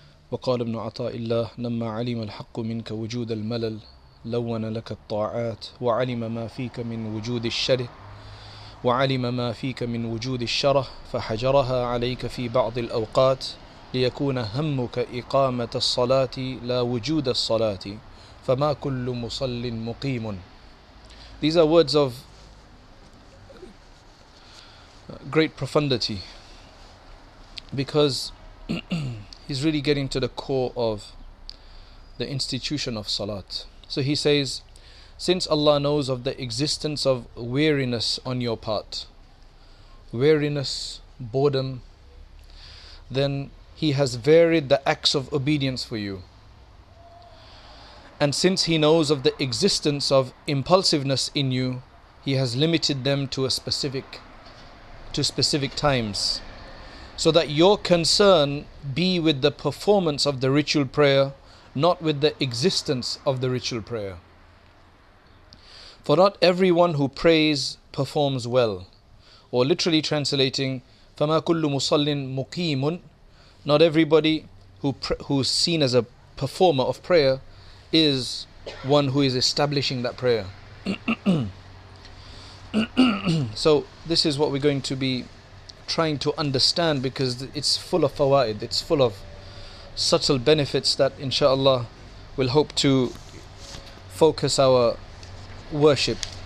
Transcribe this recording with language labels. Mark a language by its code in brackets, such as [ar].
[ar] وقال ابن عطاء الله لما علم الحق منك وجود الملل لون لك الطاعات وعلم ما فيك من وجود الشره وعلم ما فيك من وجود الشره فحجرها عليك في بعض الأوقات ليكون همك إقامة الصلاة لا وجود الصلاة فما كل مصل مقيم. [en] These are words of great profundity, because he's really getting to the core of the institution of salat. So he says, since Allah knows of the existence of weariness on your part, weariness, boredom, then He has varied the acts of obedience for you. And since He knows of the existence of impulsiveness in you, He has limited them to specific times, so that your concern be with the performance of the ritual prayer, not with the existence of the ritual prayer. For not everyone who prays performs well. Or literally translating, [ar] فَمَا كُلُّ مُصَلِّن مُقِيمٌ. [en] Not everybody who's seen as a performer of prayer is one who is establishing that prayer. So this is what we're going to be trying to understand, because it's full of fawaid, it's full of subtle benefits that inshallah we'll hope to focus our worship.